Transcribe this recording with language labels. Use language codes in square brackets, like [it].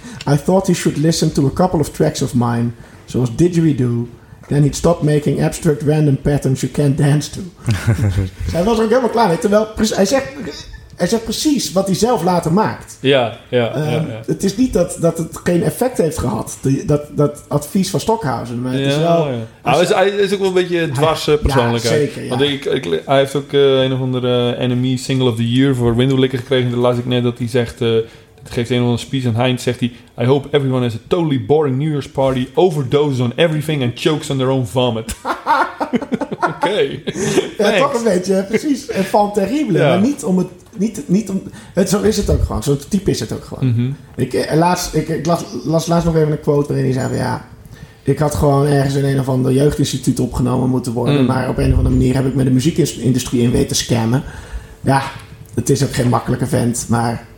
[en] I thought he should listen to a couple of tracks of mine, [nl] zoals [en] Didgeridoo. Then he'd stop making abstract random patterns you can't dance to. [nl] Hij was ook helemaal klaar mee. Terwijl hij zegt precies wat hij zelf later maakt. Ja. Het is niet dat het geen effect heeft gehad, dat advies van Stockhausen. Maar het is wel. Hij is ook wel een beetje dwars persoonlijkheid. Ja, zeker. Ja. Want hij heeft ook een of andere NME Single of the Year voor Window Licker gekregen. Daar las ik net dat hij zegt. Het geeft een of andere speech en Heinz zegt hij... [en] I hope everyone has a totally boring New Year's party... overdoses on everything and chokes on their own vomit. Oké. Okay. [nl] Ja, toch een beetje, precies. En van terrible. Ja. Maar niet om het... Niet om, zo is het ook gewoon. Zo'n type is het ook gewoon. Mm-hmm. Ik las nog even een quote waarin hij zei van... Ja, ik had gewoon ergens in een of ander jeugdinstituut opgenomen moeten worden... maar op een of andere manier heb ik met de muziekindustrie in weten scammen. Ja, het is ook geen makkelijke vent, maar...